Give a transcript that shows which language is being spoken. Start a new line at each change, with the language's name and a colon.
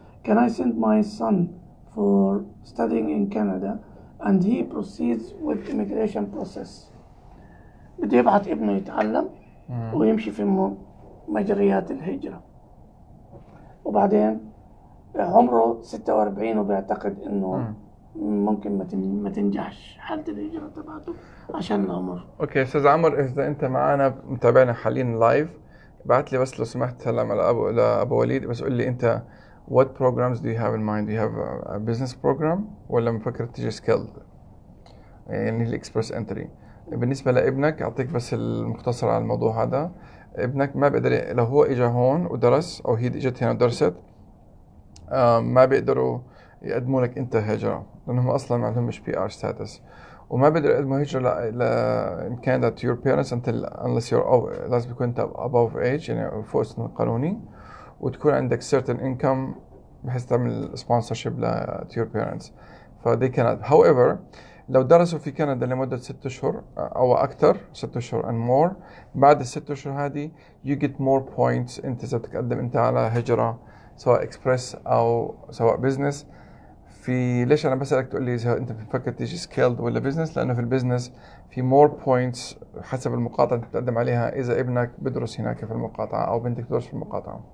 English: Can I send my son for studying in Canada and he proceeds with immigration process.
Arabic: بده يبعت ابنه يتعلم ويمشي في مجريات الهجرة، وبعدين عمره 46 وبيعتقد انه ممكن ما تنجحش حالة الهجرة تبعته عشان العمر. اوكي استاذ عمر، اذا انت معانا متابعنا حاليا لايف، بعت لي بس لو سمحت سلام لابو وليد، بس قول لي انت
English: What programs do you have in mind? Do you have a business program?
Arabic: ولا مفكر تجي skilled؟ يعني الـ Express Entry. بالنسبة لابنك، أعطيك بس المختصر على الموضوع هذا. ابنك ما بيقدر، لو هو إجا هون ودرس أو هي إجت هنا ودرست، ما بيقدروا يقدموا لك أنت هجرة، لأنهم أصلاً ما عندهمش PR status. وما بيقدروا يقدموا هجرة
English: in Canada to your parents until unless you're over.
Arabic: لازم يكون أنت
English: above age،
Arabic: يعني فوق السن القانوني. وتكون عندك
English: certain income
Arabic: بحيث تعمل
English: sponsorship to your parents. ف they cannot.
Arabic: However, لو درسوا في كندا لمدة 6 أشهر أو أكثر، 6 أشهر
English: and more،
Arabic: بعد ال6 أشهر هذه
English: you get more points.
Arabic: أنت إذا تقدم أنت على هجرة سواء express أو سواء business، ف في ليش انا بسالك تقول لي اذا انت بتفكر تيجي سكيلد ولا بزنس؟ لانه في البزنس في
English: more points
Arabic: حسب المقاطعه اللي بتقدم عليها اذا ابنك بدرس هناك في المقاطعه او بنتك تدرس في المقاطعه.